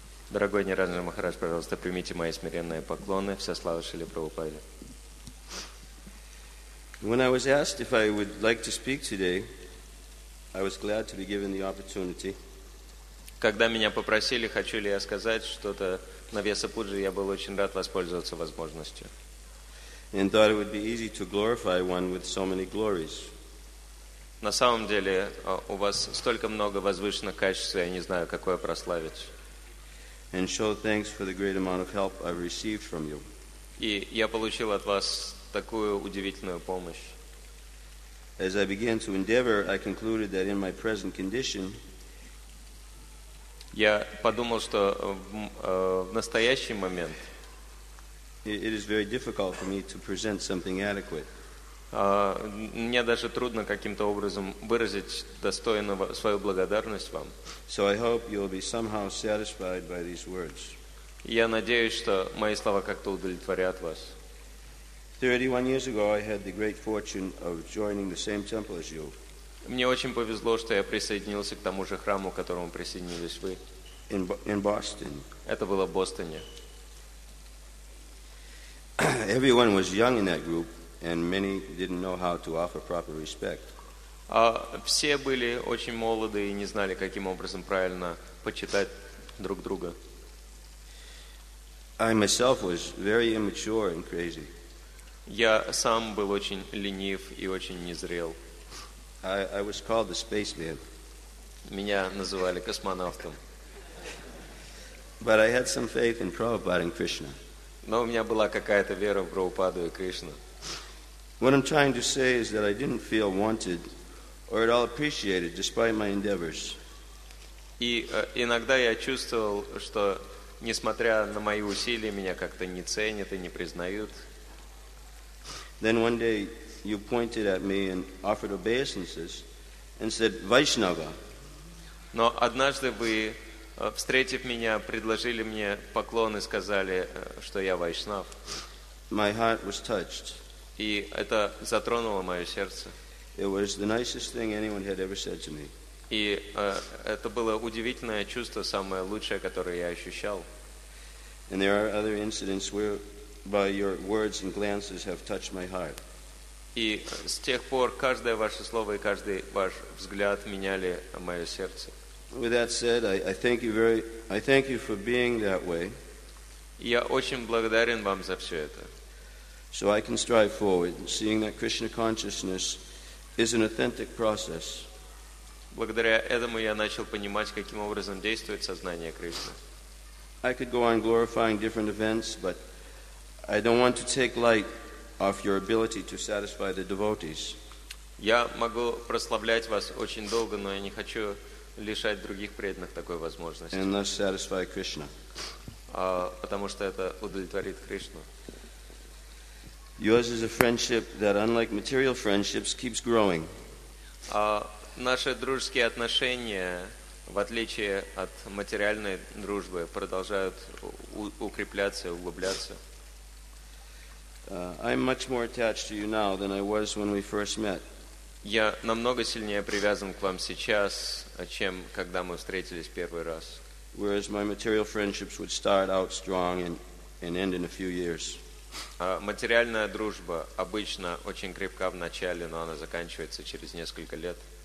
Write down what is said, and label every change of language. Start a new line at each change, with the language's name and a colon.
Russian: Дорогой Ниранджан Махарадж, пожалуйста, примите мои смиренные поклоны. Вся слава Шриле Прабхупаде.
English: When I was asked if I would like to speak today, I was glad to be given the opportunity.
Russian: Когда меня попросили, хочу ли я сказать что-то на Вьясапуджи, я был очень рад воспользоваться возможностью.
English: And thought it would be easy to glorify one with so many glories.
Russian: На самом деле, у вас столько много возвышенных качеств, я не знаю, какое прославить.
English: And show thanks for the great amount of help I've received from you.
Russian: И я получил от вас такую удивительную помощь.
English: As I began to endeavor, I concluded that in my present condition,
Russian: я подумал, что в настоящий момент
English: it is very difficult for me to present something adequate.
Russian: Мне даже трудно каким-то образом выразить достойно свою благодарность вам.
English: So I hope you will be somehow satisfied by these words.
Russian: Я надеюсь, что мои слова как-то удовлетворят вас.
English: 31 years ago, I had the great fortune of joining the same temple as you.
Russian: Мне очень повезло, что я присоединился к тому же храму, к которому присоединились вы.
English: In Boston.
Russian: Это было в Бостоне.
English: Everyone was young in that group, and many didn't know how to offer proper respect.
Russian: Все были очень молоды и не знали, каким образом правильно почитать друг друга.
English: I myself was very immature and crazy.
Russian: Я сам был очень ленив и очень незрел.
English: I was called the spaceman.
Russian: Меня называли космонавтом.
English: But I had some faith in Prabhupada and Krishna.
Russian: Но у меня была какая-то вера в Прабхупаду и Кришну.
English: What I'm trying to say is that I didn't feel wanted or at all appreciated despite my endeavors.
Russian: И иногда я чувствовал, что несмотря на мои усилия, меня как-то не ценят и не признают.
English: Then one day you pointed at me and offered obeisances and said, Vaishnava.
Russian: Но однажды вы, встретив меня, предложили мне поклон и сказали, что я вайшнав.
English: My heart was touched.
Russian: И это затронуло мое сердце.
English: It was the nicest thing anyone had ever said to me.
Russian: И это было удивительное чувство, самое лучшее, которое я ощущал.
English: And there are other incidents where by your words and glances have touched my heart.
Russian: И с тех пор каждое ваше слово и каждый ваш взгляд меняли мое сердце.
English: With that said, I thank you for being that way.
Russian: Я очень благодарен вам за все это.
English: So I can strive forward, seeing that Krishna consciousness is an authentic process.
Russian: Благодаря этому я начал понимать, каким образом действует сознание Кришны.
English: I could go on glorifying different events, but I don't want to take light off your ability to satisfy the devotees.
Russian: Я могу прославлять вас очень долго, но я не хочу лишать других преданных такой возможности.
English: And thus satisfy Krishna.
Russian: Потому что это удовлетворит Кришну.
English: Yours is a friendship that, unlike material friendships, keeps growing.
Russian: Наши дружеские отношения, в отличие от материальной дружбы, продолжают укрепляться и углубляться.
English: I'm much more attached to you now than I was when we first met.
Russian: Я намного сильнее привязан к вам сейчас, чем когда мы встретились первый раз.
English: Whereas my material friendships would start out strong and end in a few years.
Russian: Материальная дружба обычно очень крепка в начале, но она заканчивается через несколько лет.